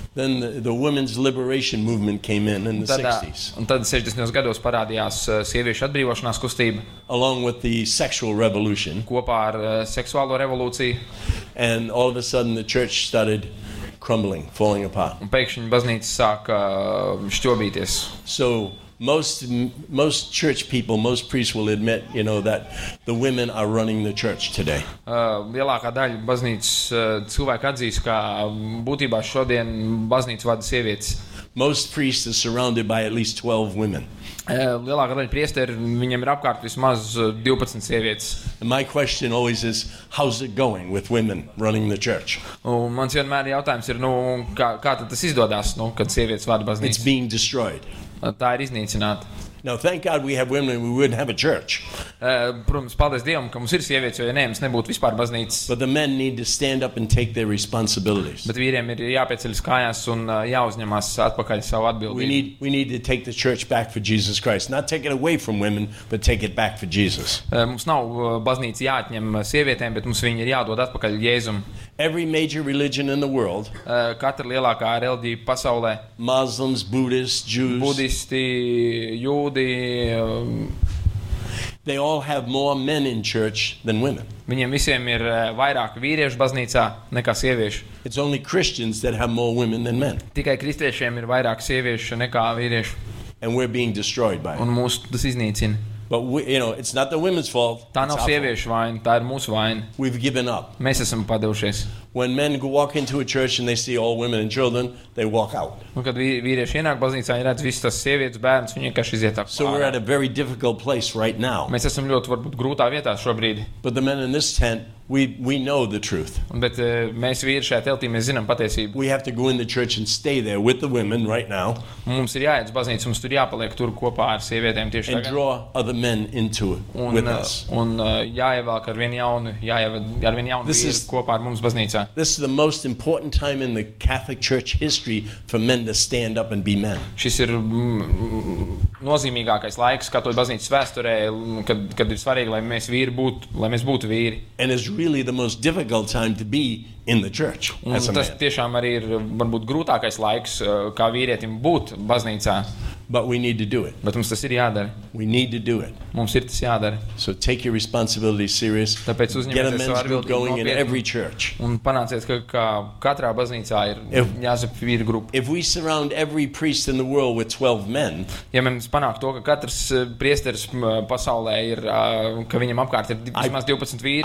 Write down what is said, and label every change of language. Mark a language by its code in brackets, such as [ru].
[en] Then the women's liberation movement came in the 60s. [lv] Un tad 60. Gados parādījās sieviešu atbrīvošanās kustība. [en] Along with the sexual revolution. [lv] Kopā ar seksuālo revolūciju. [en] And all of a sudden the church started crumbling, falling apart. [lv] Un pēkšņi baznīca sāka šķobīties. [en] So Most church people, most priests will admit, you know, that the women are running the church today. [lv] Lielākā daļa baznīcas cilvēku atzīst, ka būtībā šodien baznīca vada sievietes. [en] Most priests are surrounded by at least 12 women. [lv] Lielākā daļa priesteri, viņiem ir apkārt vismaz 12 sievietes. [en] And my question always is, how's it going with women running the church? [lv] Un mans vienmēr jautājums ir, nu, kā tad tas izdodas, nu, kad sievietes vada baznīcu? [en] It's being destroyed. [lv] Tā ir iznīcināta. [en] Now, thank God we have women and we wouldn't have a church. [lv] Protams, paldies Dievam, ka mums ir sievietes, jo, ja ne, mums nebūtu vispār baznīcas. [en] But the men need to stand up and take their responsibilities. [lv] Bet vīriem ir jāpieceļas kājās un jāuzņemās atpakaļ savu atbildību. [en] We need to take the church back for Jesus Christ. Not take it away from women, but take it back for Jesus. [lv] Mums nav baznīca jāatņem sievietēm, bet mums viņi ir jādod atpakaļ Jēzum. [en] Every major religion in the world, [lv] katra lielākā reliģija pasaulē, [en] Muslims, Buddhists, Jews, [lv] budisti, jūdi, [en] they all have more men in church than women. [lv] Viņiem visiem ir vairāk vīriešu baznīcā nekā sieviešu. [en] It's only Christians that have more women than men. [lv] Tikai kristiešiem ir vairāk sieviešu nekā vīriešu. [en] And we're being destroyed by it. [lv] Un mūs tas iznīcina. [en] But you know, it's not the women's fault. [lv] Tā nav sieviešu vaina, tā ir mūsu vaina. [en] We've given up. [lv] Mēs esam padevušies. [en] When men go walk into a church and they see all women and children, they walk out. [lv] Un kad vīrieši ienāk baznīcā, viņi redz visas tās sievietes, bērns, viņi vienkārši iziet ārā. [en] So we're at a very difficult place right now. [lv] Mēs esam ļoti varbūt grūtā vietā šobrīd. [en] But the men in this tent, we know the truth. [lv] Bet mēs vīrieši šajā teltī, mēs zinām patiesību. [en] We have to go in the church and stay there with the women right now. [lv] Mums ir jāiet uz baznīcu, mums tur jāpaliek tur kopā ar sievietēm tieši tagad. [en] And draw other men into it with us. [lv] Un jāievelk ar vienu jaunu vīru kopā ar mums baznīcā. [en] This is the most important time in the Catholic Church history for men to stand up and be men. [lv] Šis ir nozīmīgākais laiks Katoļu baznīcas vēsturē, kad ir svarīgi, lai mēs būtu vīri. [en] And it's really the most difficult time to be in the church. As a man. [lv] Tas tiešām arī ir varbūt grūtākais laiks kā vīrietim būt baznīcā. [en] But we need to do it. [lv] Bet mums tas ir jādara. [en] We need to do it. [lv] Mums ir tas jādara. [en] So take your responsibility serious. [lv] Tāpēc uzņemieties savu atbildību. [en] Get a men's group going in every church. [lv] Un panāciet, ka katrā baznīcā ir jāzap vīru grupa. [en] If we surround every priest in the world with 12 men. [lv] Ja mēs panāk to, ka katrs priesteris pasaulē ir, ka viņam apkārt ir vismaz 12 vīri.